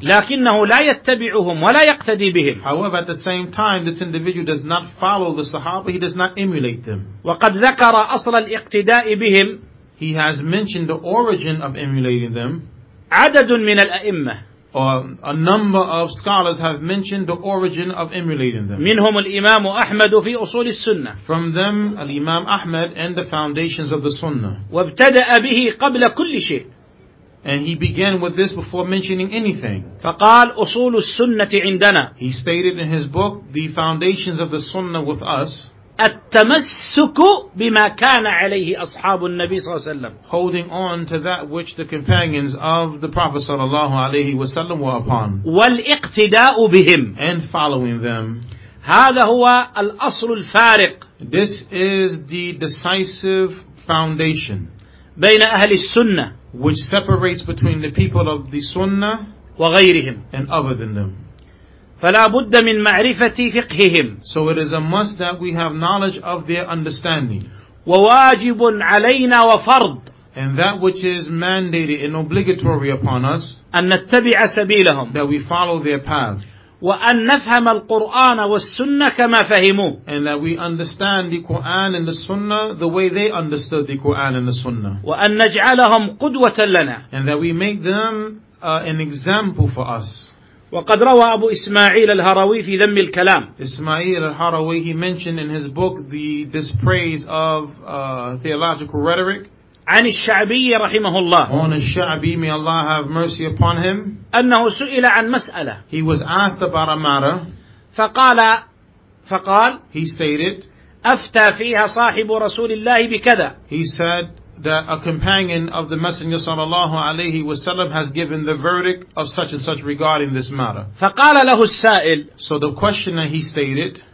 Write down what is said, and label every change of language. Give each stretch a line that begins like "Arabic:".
Arabic: لكنه لا يتبعهم ولا يقتدي بهم
English: however at the same time this individual does not follow the Sahaba he does not emulate them
Arabic: وقد ذكر أصل الاقتداء بهم
English: he has mentioned the origin of emulating them
Arabic: عدد من الأئمة
English: A number of scholars have mentioned the origin of emulating them.
Arabic: منهم الإمام أحمد في أصول السنة.
English: From them, Imam Ahmad and the foundations of the Sunnah.
Arabic: وابتدأ به قبل كل شيء.
English: And he began with this before mentioning anything.
Arabic: فقال أصول السنة عندنا.
English: He stated in his book, The Foundations of the Sunnah with Us.
Arabic: التمسك بما كان عليه أصحاب النبي صلى الله عليه وسلم
English: holding on to that which the companions of the Prophet صلى الله عليه وسلم were upon
Arabic: والاقتداء بهم
English: and following them
Arabic: هذا هو الأصل الفارق
English: this is the decisive foundation
Arabic: بين أهل السنة
English: which separates between the people of the Sunnah
Arabic: وغيرهم
English: and other than them
Arabic: فلا بد من معرفة فقههم.
English: So it is a must that we have knowledge of their understanding.
Arabic: وواجب علينا وفرض.
English: And that which is mandated and obligatory upon us.
Arabic: أن نتبع سبيلهم.
English: That we follow their path.
Arabic: وأن نفهم القرآن والسنة كما فهموه.
English: And that we understand the Quran and the Sunnah the way they understood the Quran and the Sunnah.
Arabic: وأن نجعلهم قدوة لنا.
English: And that we make them an example for us.
Arabic: وقد روى أبو إسماعيل الهروي في ذم الكلام.
English: إسماعيل الهروي, he mentioned in his book the dispraise of theological rhetoric.
Arabic: عن الشعبي رحمه الله.
English: On الشعبي, may Allah have mercy upon him.
Arabic: أنه سئل عن مسألة.
English: He was asked about a matter.
Arabic: فقال.
English: He stated.
Arabic: أفتى فيها صاحب رسول الله بكذا.
English: He said that a companion of the Messenger صلى الله عليه وسلم has given the verdict of such and such regarding this matter.
Arabic: فقال له السائل.
English: So the questioner, he stated.